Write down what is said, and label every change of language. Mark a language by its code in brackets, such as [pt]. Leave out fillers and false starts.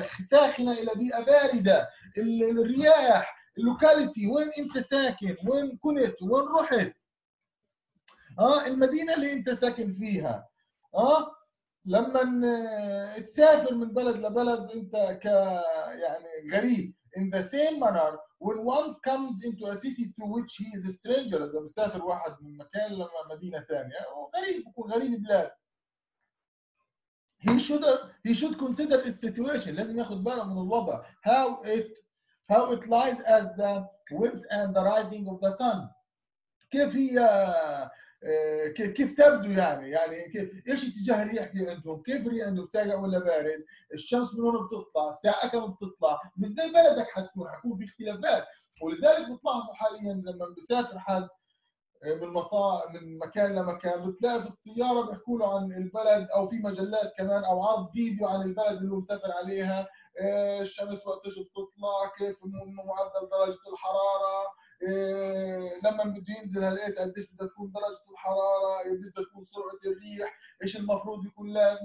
[ar] ساخنة إلى بيئة باردة، الرياح، اللوكاليتي، وين أنت ساكن، وين كنت، وين رحت، المدينة اللي أنت ساكن فيها، لما تسافر من بلد لبلد أنت كغريب، [en] in the same manner when one comes into a city to which he is a stranger, [ar] إذا مسافر واحد من مكان لمدينة ثانية وغريب وغريب البلاد. [en] He should consider his situation. [ar] لازم ياخد باله من الوضع. [en] How it lies as the winds and the rising of the sun. [ar] كيف هي كيف تبدو يعني ايش اتجاه الريح في عندهم؟ كيف الريح عندهم؟ ساقع ولا بارد؟ الشمس من وين بتطلع؟ ساعة كم بتطلع؟ من زي بلدك حتكون؟ حكون في اختلافات. ولذلك بتلاحظوا حاليا لما بسافر حد من مكان لمكان بتلاقي في الطياره بيحكوا له عن البلد او في مجلات كمان او عرض فيديو عن البلد اللي هو مسافر عليها، الشمس وقتش بتطلع، كيف معدل درجه الحراره، لما بده ينزل هلقيت قديش بدها تكون درجه الحراره، بدها تكون سرعه الريح، ايش المفروض يكون لها.